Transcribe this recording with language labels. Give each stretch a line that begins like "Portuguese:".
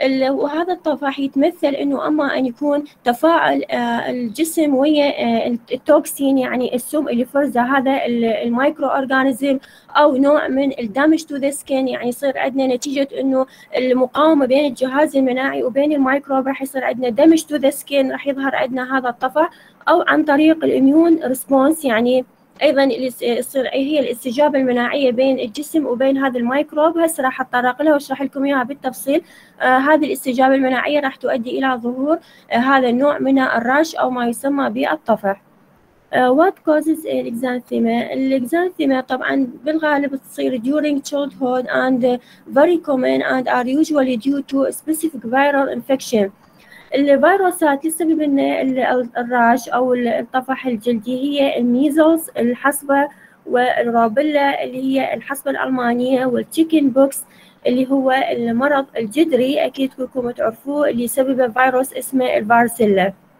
Arabic: وهذا الطفح يتمثل انه اما ان يكون تفاعل الجسم ويا التوكسين، يعني السم اللي فرزه هذا المايكرو اورجانيزم، او نوع من الدامج تو ذا سكين، يعني يصير عندنا نتيجه انه المقاومه بين الجهاز المناعي وبين الميكروب راح يصير عندنا دامج تو ذا سكين، راح يظهر عندنا هذا الطفح، او عن طريق الاميون ريسبونس، يعني ايضا يصير هي الاستجابه المناعيه بين الجسم وبين هذا الميكروب. هسه راح اتطرق لها واشرح لكم اياها بالتفصيل. هذه الاستجابه المناعيه راح تؤدي الى ظهور هذا النوع من الرعش او ما يسمى بالطفح.
English: What causes
Arabic: الاكزانثيما؟ الاكزانثيما طبعا بالغالب تصير
English: during childhood and very common and are usually due to specific viral infection.
Arabic: الفيروسات اللي تسبب لنا الرعش او الطفح الجلدي هي الميزلز الحصبه والروبيلا اللي هي الحصبه الالمانيه، والتشيكن بوكس اللي هو المرض الجدري اكيد كلكم تعرفوه اللي سببه فيروس اسمه الفارسيلا.